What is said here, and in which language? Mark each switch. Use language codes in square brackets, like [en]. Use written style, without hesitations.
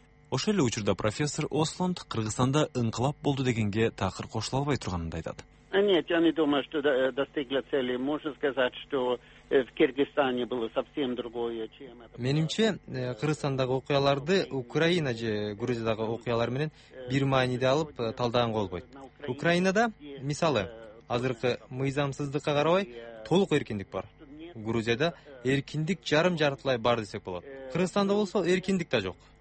[ky] Ошол эле учурда профессор Ослунд Кыргызстанда инкылап болду дегенге такыр кошула албай турганын айтат. [ru] Нет, я не думаю, что достигла цели. Можно сказать, что в Кыргызстане было совсем другое, чем это. [ky] Менимче, Кыргызстандагы окуяларды Украина же Грузиядагы окуялар менен бир мааниде алып талдаган болбойт. Украинада, мисалы, азыркы мыйзамсыздыкка карабай, толук эркиндик бар. Грузияда эркиндик жарым жартылай бар десек болот. Кыргызстанда болсо эркиндик да жок.